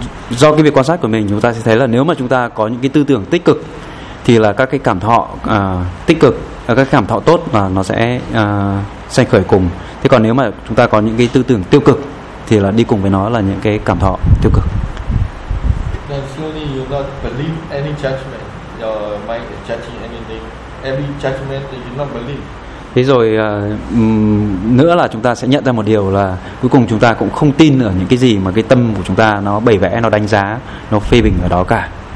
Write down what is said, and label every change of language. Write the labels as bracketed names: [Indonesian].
[Vietnamese] do cái việc quan sát của mình, chúng ta sẽ thấy là nếu mà chúng ta có những cái tư tưởng tích cực thì là các cái cảm thọ tích cực, các cảm thọ tốt là nó sẽ sanh khởi cùng. Thế còn nếu mà chúng ta có những cái tư tưởng tiêu cực thì là đi cùng với nó là những cái cảm thọ tiêu cực. [English] Then slowly you not believe any judgment, your mind is judging anything. Every judgment you not believe. [Vietnamese] Thế rồi nữa là chúng ta sẽ nhận ra một điều là cuối cùng chúng ta cũng không tin ở những cái gì mà cái tâm của chúng ta nó bày vẽ, nó đánh giá, nó phê bình ở đó cả.